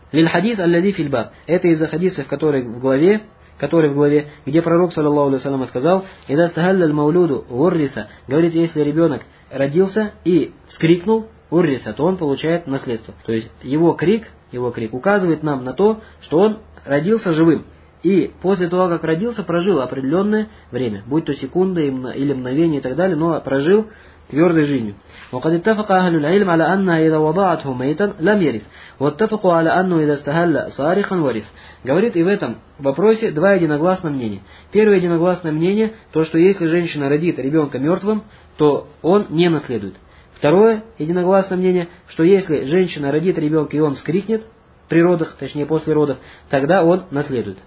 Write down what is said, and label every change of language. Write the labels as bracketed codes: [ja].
[ar] Лиль хадис аль-лади фи ль-баб. [ru] Это из-за хадисов, который в главе, где пророк, саллаллаху алейхи ва саллям, сказал, [ar] «Иза стахалля ль-маулюду урриса», [ru] говорит, если ребенок родился и вскрикнул урриса, то он получает наследство. То есть его крик указывает нам на то, что он родился живым. И после того, как родился, прожил определенное время, будь то секунда или мгновение и так далее, но прожил твердой жизнью. [ar] وقد اتفق أهل العلم على أن إذا وضعته ميتا لم يرث واتفقوا على أنه إذا استهل صارخا ورث. [ru] Говорит, и в этом вопросе два единогласных мнения. Первое единогласное мнение, то что если женщина родит ребенка мертвым, то он не наследует. Второе единогласное мнение, что если женщина родит ребенка и он вскрикнет при родах, точнее после родов, тогда он наследует.